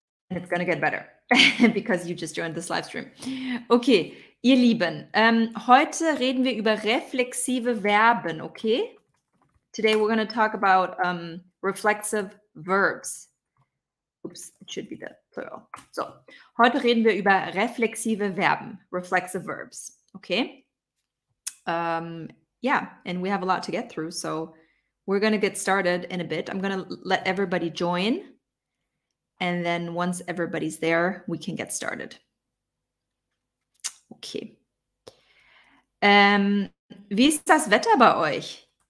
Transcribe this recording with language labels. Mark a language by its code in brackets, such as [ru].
[en] And it's going to get better because you just joined this live stream. [de] Okay, ihr Lieben, heute reden wir über reflexive Verben, okay? [en] Today we're going to talk about reflexive verbs. Oops, it should be the plural. [de] So, heute reden wir über reflexive Verben, [en] reflexive verbs, [de] okay? [en] Yeah, and we have a lot to get through, so we're going to get started in a bit. I'm going to let everybody join. And then once everybody's there, we can get started. [de] Okay. Wie ist das Wetter bei euch?